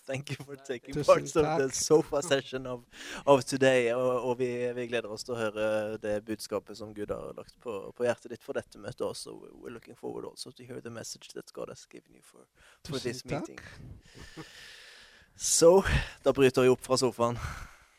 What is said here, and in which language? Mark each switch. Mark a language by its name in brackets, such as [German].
[English] Thank you for taking part of the sofa session of today. [Norwegian] Og vi gleder oss til å høre det budskapet som Gud har lagt på hjertet ditt for dette møtet også. [English] We're looking forward also to hear the message that God has given you for this meeting. [Norwegian] Så, da bryter vi opp fra sofaen.